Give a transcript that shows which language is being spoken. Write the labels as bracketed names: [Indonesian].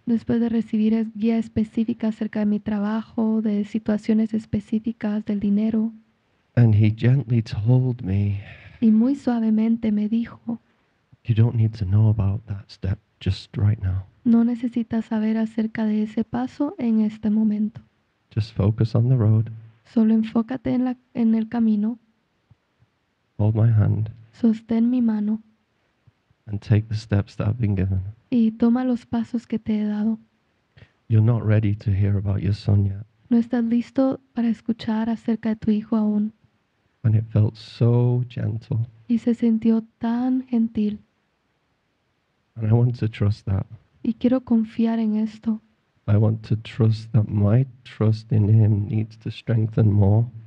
[Spanish] Después de recibir guía específica acerca de mi trabajo, de situaciones específicas del dinero. [English] And he gently told me. [Spanish] Y muy suavemente me dijo. [English] You don't need to know about that step just right now. [Spanish] No necesitas saber acerca de ese paso en este momento. [English] Just focus on the road. [Spanish] Solo enfócate en el camino. [English] Hold my hand. [Spanish] Sostén mi mano. [English] And take the steps that I've been given. [Spanish] Y toma los pasos que te he dado. [English] You're not ready to hear about your son yet. [Spanish] No estás listo para escuchar acerca de tu hijo aún. [English] And it felt so gentle. [Spanish] Y se sintió tan gentil. [English] And I want to trust that. [Spanish] Y quiero confiar en esto. [English] I want to trust that my trust in him needs to strengthen more.